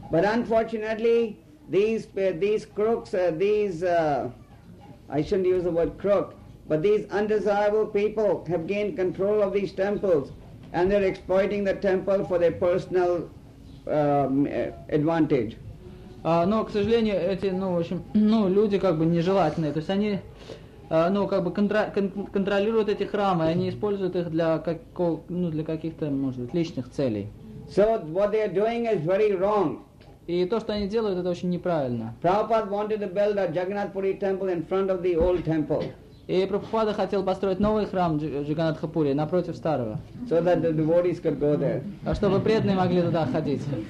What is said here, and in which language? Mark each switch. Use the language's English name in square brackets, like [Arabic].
[English] But unfortunately, I shouldn't use the word crook, but these undesirable people have gained control of these temples and they're exploiting the temple for their personal advantage. [Russian] К сожалению, эти, люди нежелательные. То есть они, контролируют эти храмы, они используют их для каких-то, может быть, личных целей. [English] So what they are doing is very wrong. [Russian] И то, что они делают, это очень неправильно. [English] Prabhupada wanted to build a Jagannath Puri temple in front of the old temple. [Russian] И Прабхупада хотел построить новый храм Джаганатхапури напротив старого. [English] So that the devotees could go there. [Russian] А чтобы преданные могли туда ходить.